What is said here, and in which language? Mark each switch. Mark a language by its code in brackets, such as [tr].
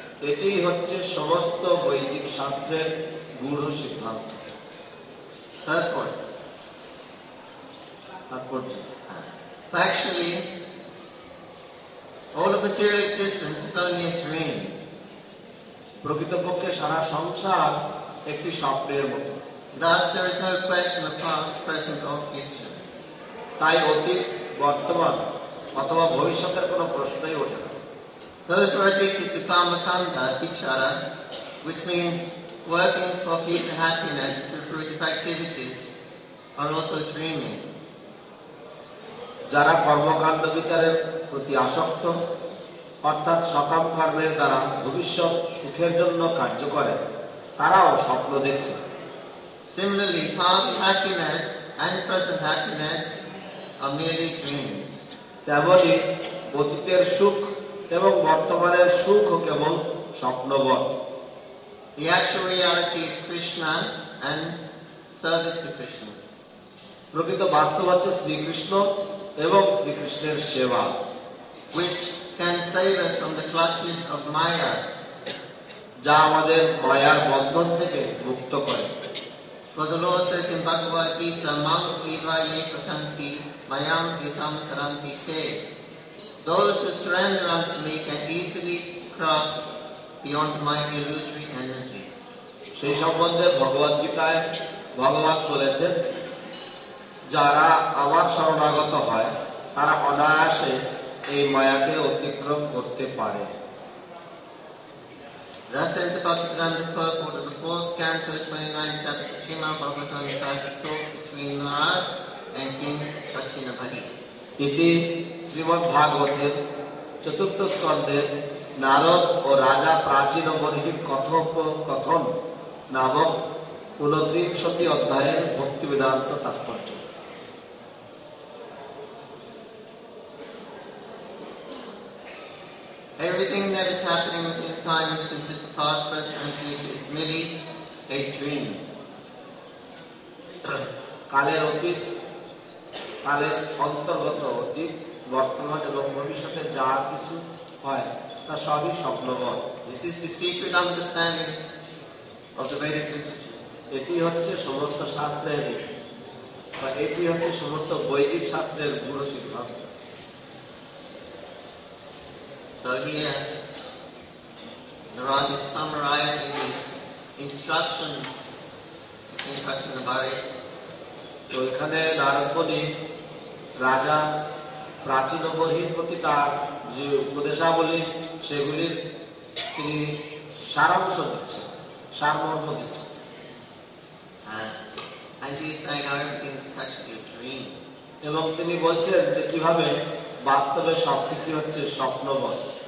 [bn] এটি হচ্ছে সমস্ত বৈদিক শাস্ত্রের গূঢ় সিদ্ধান্ত। তারপর [en] actually all of material existence is only a dream. [bn] প্রকৃতপক্ষে সারা সংসার একটি স্বপ্নের মতো। [en] Thus, there is no question of past, present, or future. [bn] তাই অতীত বর্তমান অথবা ভবিষ্যতের কোনো প্রশ্নই ওঠে না. [en] Those who are addicted to kamakanda vichara, which means working for future happiness through fruitive activities, are also dreaming. [bn] যারা কর্মকাণ্ড বিচারের প্রতি আসক্ত অর্থাৎ সকাম কর্মের দ্বারা ভবিষ্যৎ সুখের জন্য কার্য করে তারাও স্বপ্ন দেখছে. [en] Similarly, past happiness and present happiness are merely dreams. [bn] তেমনি অতীতের সুখ এবং বর্তমানের সুখ কেবল স্বপ্নবত. [en] The actual reality is Krishna and service to Krishna. [bn] প্রকৃত বাস্তব হচ্ছে শ্রীকৃষ্ণ এবং শ্রীকৃষ্ণের সেবা. [en] Which can save us from the clutches of Maya. [bn] যা আমাদের মায়ার বন্ধন থেকে মুক্ত করে. [en] For the Lord says in Bhagavad Gita, [sa] Mam eva ye patanti, mayam itam taranti te. [en] Those who surrender unto me can easily cross beyond my illusory energy. [bn] সেই সম্বন্ধে ভগবদ গীতায় ভগবান বলেছেন, যারা আমার শরণাগত হয় তারা অনায়াসে এই মায়াকে অতিক্রম করতে পারে. [en] Thus in the Bhagavad Gita purport of the fourth canto 29 chapter Srimad Bhagavatam is as it talks between Narad and King Pachinabhari. [sa] Iti Srimad Bhagavate Chaturtha Skande Narad o Raja Prachinabhari Kathop Kathon Navak Unatrim Shati Adhaya Bhakti Vedanta Tathparcha. [en] Everything that is happening within time, which consists of past, present, and future, is merely a dream. [bn] কালের অতীত, কালের অন্তর্গত অতীত, বর্তমান এবং ভবিষ্যতে যা কিছু হয় তা সবই স্বপ্নবত. [en] This is the secret understanding of the Vedic literature. [bn] এটি হচ্ছে সমস্ত শাস্ত্রের বা এটি হচ্ছে সমস্ত বৈদিক শাস্ত্রের গুরু শিক্ষা. [en] So here, Narad is summarizing his instructions to King Pachinabhari. [bn] So এখানে নারদমুনি রাজা প্রাচীনবর্হির প্রতি তার যে উপদেশাবলী সেগুলির তিনি সারাংশ দিচ্ছেন, সারমর্ম দিচ্ছেন. [en] And he is saying everything is actually a dream. [bn] এবং তিনি বলছেন যে কিভাবে বাস্তবে সবকিছু হচ্ছে স্বপ্নবত.